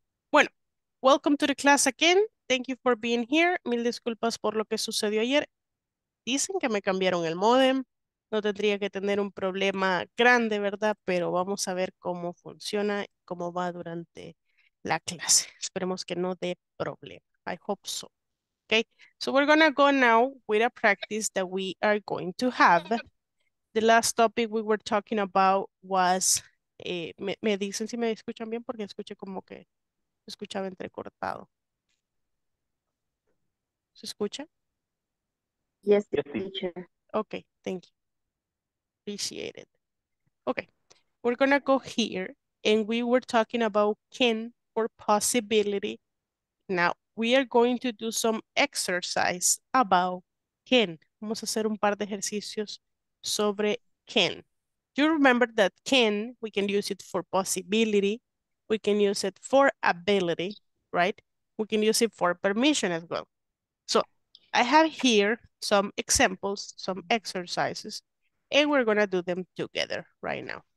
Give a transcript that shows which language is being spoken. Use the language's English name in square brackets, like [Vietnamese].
[English] Bueno, welcome to the class again. Thank you for being here. [Spanish] Mil disculpas por lo que sucedió ayer. Dicen que me cambiaron el modem. No tendría que tener un problema grande, ¿verdad? Pero vamos a ver cómo funciona, cómo va durante la clase. Esperemos que no dé problema. [English] I hope so. Okay, so we're gonna go now with a practice that we are going to have. The last topic we were talking about was, [Spanish] me dicen si me escuchan bien porque escuché como que escuchaba entrecortado. ¿Se escucha? [English] Yes, teacher. Okay, thank you. Appreciate it. Okay, we're gonna go here and we were talking about can or possibility. Now, we are going to do some exercise about can. [Spanish] Vamos a hacer un par de ejercicios sobre can. [English] You remember that can, we can use it for possibility. We can use it for ability, right? We can use it for permission as well. So I have here some examples, some exercises, and we're going to do them together right now.